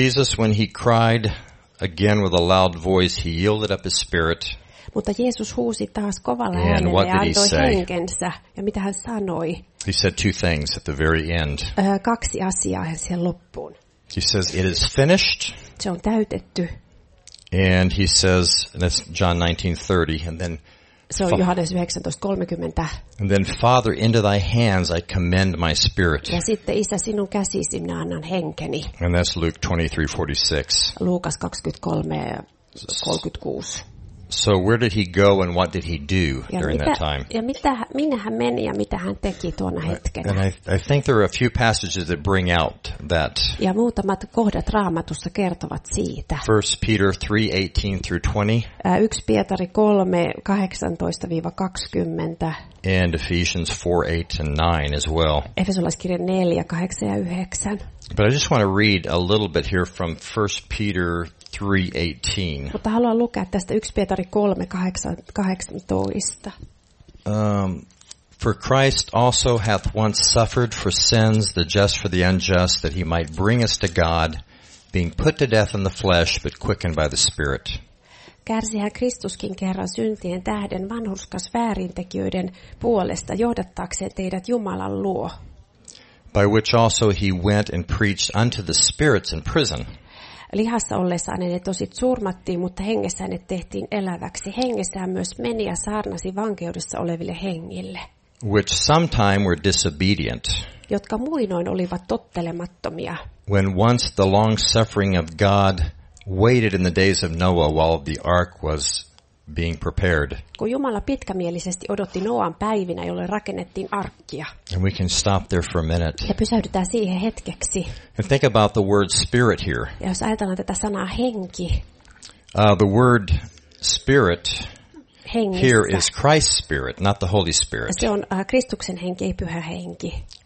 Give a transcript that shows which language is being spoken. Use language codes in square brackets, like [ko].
[en] Jesus, when he cried again with a loud voice, he yielded up his spirit. [fi] Mutta Jeesus huusi taas kovalla äänellä ja antoi henkensä. Ja mitä hän sanoi? [en] He said 2 things at the very end. [fi] 2 asiaa hän siihen loppuun. [en] He says, it is finished. [fi] Se on täytetty. [en] And he says, and that's John 19:30, and then [fi] so Johannes 19:30. [en] And then, Father, into thy hands I commend my spirit. [fi] Ja sitten, Isä, sinun käsisi minä annan henkeni. [en] And that's Luke 23:46. [fi] Luukas 23:36. [en] So where did he go and what did he do during [fi] mitä, [en] that time? [fi] Ja mitä, minne hän meni ja mitä hän teki tuona hetkenä? [en] And I think there are a few passages that bring out that. [fi] Ja muutamat kohdat Raamatussa kertovat siitä. [en] 1 Peter 3:18-20. [fi] 1 Pietari 3:18-20. [en] And Ephesians 4:8-9 as well. [fi] Efesolaiskirje 4:8-9. [en] But I just want to read a little bit here from 1 Peter 3:18. [fi] Mutta haluan lukea tästä 1 Pietari 3:18. [en] For Christ also hath once suffered for sins, the just for the unjust, that he might bring us to God, being put to death in the flesh, but quickened by the Spirit. [fi] Kärsihän Kristuskin kerran syntien tähden vanhurskas väärintekijöiden puolesta johdattaakseen teidät Jumalan luo. [en] By which also he went and preached unto the spirits in prison. [fi] Lihassa ollessaan ne tosit surmattiin, mutta hengessä ne tehtiin eläväksi. Hengessään myös meni ja saarnasi vankeudessa oleville hengille. [en] Which sometime were disobedient. [fi] Jotka muinoin olivat tottelemattomia. [en] When once the long suffering of God waited in the days of Noah while the ark was being prepared. [fi] Kun Jumala pitkämielisesti odotti Noan päivinä, jolloin rakennettiin arkkia. [en] And we can stop there for a minute. [fi] Ja pysäydytään siihen hetkeksi. [en] And think about the word spirit here. [fi] Ja jos ajatellaan tätä sanaa henki. [en] The word spirit [fi] hengissä. [en] Here is Christ's spirit, not the Holy Spirit. [fi] Se on Kristuksen henki, ei pyhä henki.